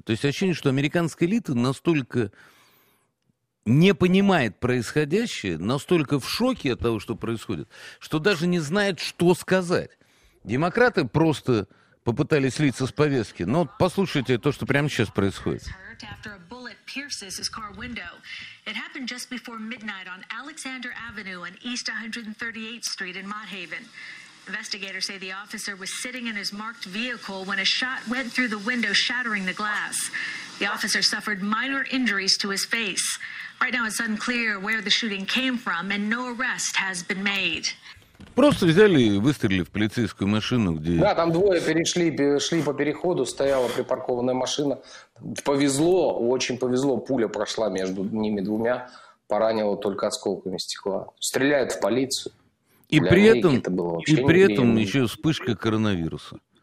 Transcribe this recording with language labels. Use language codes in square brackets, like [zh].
[ru] То есть ощущение, что американская элита настолько не понимает происходящее, настолько в шоке от того, что происходит, что даже не знает, что сказать. Демократы просто попытались слиться с повестки. Но вот послушайте то, что прямо сейчас происходит. [en] Pierces his car window. It happened just before midnight on Alexander Avenue and East 138th Street in Mott Haven. Investigators say the officer was sitting in his marked vehicle when a shot went through the window, shattering the glass. The officer suffered minor injuries to his face. Right now it's unclear where the shooting came from and no arrest has been made. [ru] Просто взяли и выстрелили в полицейскую машину, где... Да, там двое перешли, шли по переходу, стояла припаркованная машина. Повезло, очень повезло, пуля прошла между ними двумя, поранила только осколками стекла. Стреляют в полицию. И при этом, еще вспышка коронавируса.